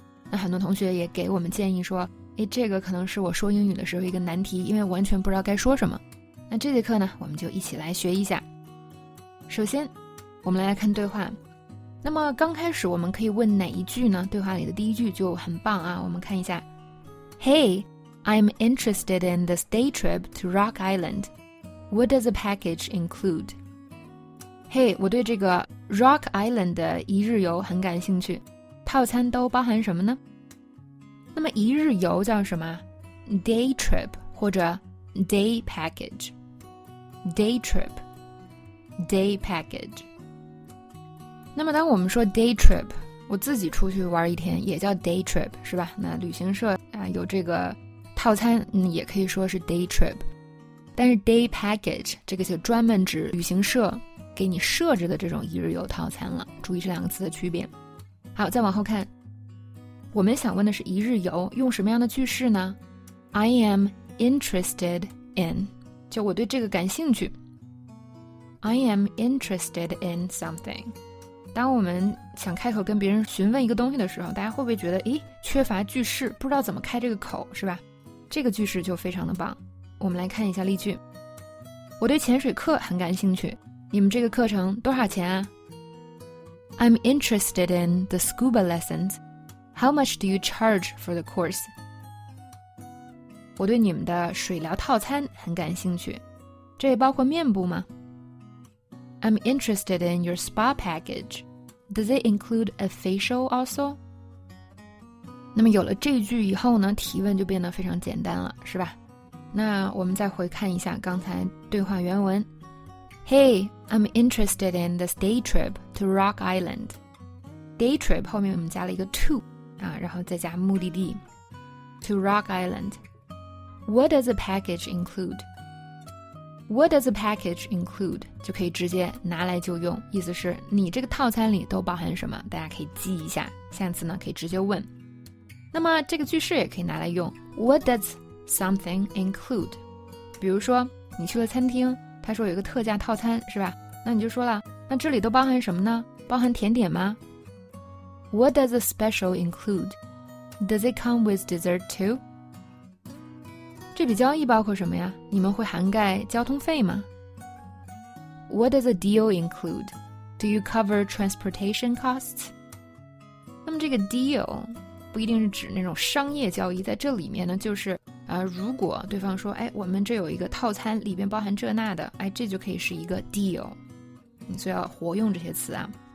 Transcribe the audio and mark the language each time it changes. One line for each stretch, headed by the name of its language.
Chinese: 那很多同学也给我们建议说，哎，这个可能是我说英语的时候一个难题，因为完全不知道该说什么。那这节课呢，我们就一起来学一下。首先，我们来看对话。那么刚开始我们可以问哪一句呢？对话里的第一句就很棒啊，我们看一下。
English: Hey,I'm interested in this day trip to Rock Island. What does the package include?
Chinese: Hey, 我对这个 Rock Island 的一日游很感兴趣。套餐都包含什么呢？那么一日游叫什么？
English: Day trip 或者 day package. Day trip. Day package.
Chinese: 那么当我们说 day trip, 我自己出去玩一天也叫 day trip, 是吧？那旅行社啊，有这个套餐、也可以说是 day trip, 但是 day package 这个就专门指旅行社给你设置的这种一日游套餐了，注意这两个词的区别。好，再往后看，我们想问的是一日游用什么样的句式呢？
English: I am interested in,
Chinese: 就我对这个感兴趣。
English: I am interested in something,
Chinese: 当我们想开口跟别人询问一个东西的时候，大家会不会觉得诶，缺乏句式，不知道怎么开这个口，是吧？这个句式就非常的棒，我们来看一下例句。我对潜水课很感兴趣，你们这个课程多少钱啊？
English: I'm interested in the scuba lessons. How much do you charge for the course?
Chinese: 我对你们的水疗套餐很感兴趣，这也包括面部吗？
English: I'm interested in your spa package. Does it include a facial also?
Chinese: 那么有了这句以后呢，提问就变得非常简单了，是吧？那我们再回看一下刚才对话原文。
English: Hey, I'm interested in this day trip to Rock Island.
Chinese: Day trip 后面我们加了一个 to, 啊，然后再加目的地 to Rock Island.
English: What does the package include? What does the package include?
Chinese: 就可以直接拿来就用，意思是你这个套餐里都包含什么，大家可以记一下，下次呢可以直接问。那么这个句式也可以拿来用
English: What does something include?
Chinese: 比如说你去了餐厅，他说有一个特价套餐，是吧？那你就说了，那这里都包含什么呢？包含甜点吗？
English: What does a special include? Does it come with dessert too?
Chinese: 这笔交易包括什么呀？你们会涵盖交通费吗？
English: What does a deal include? Do you cover transportation costs?
Chinese: 那么这个 deal不一定是指那种商业交易，在这里面呢就是如果对方说，哎，我们这有一个套餐里边包含这那的，哎，这就可以是一个 deal, 你所以要活用这些词啊。